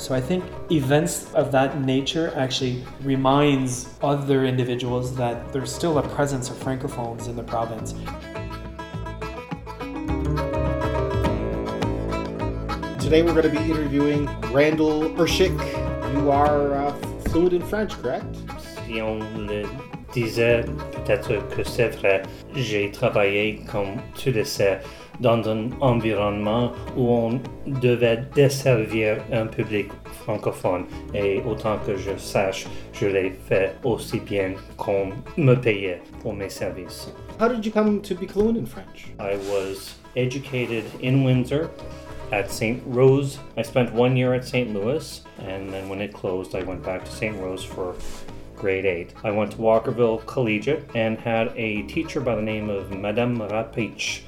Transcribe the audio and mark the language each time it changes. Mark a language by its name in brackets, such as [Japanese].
[English] So I think events of that nature actually reminds other individuals that there's still a presence of Francophones in the province. Today we're going to be interviewing Randall Urschick. You are fluent in French, correct? [French] Si on le disait, peut-être que c'est vrai. J'ai travaillé, comme tu le sais, dans un environnement où on devait desservir un public francophone. Et autant que je sache, je l'ai fait aussi bien qu'on me payait pour mes services. [English] How did you come to be fluent in French? I was educated in Windsor. At St. Rose, I spent 1 year at St. Louis, and then when it closed, I went back to St. Rose for grade 8. I went to Walkerville Collegiate and had a teacher by the name of Madame Rapich.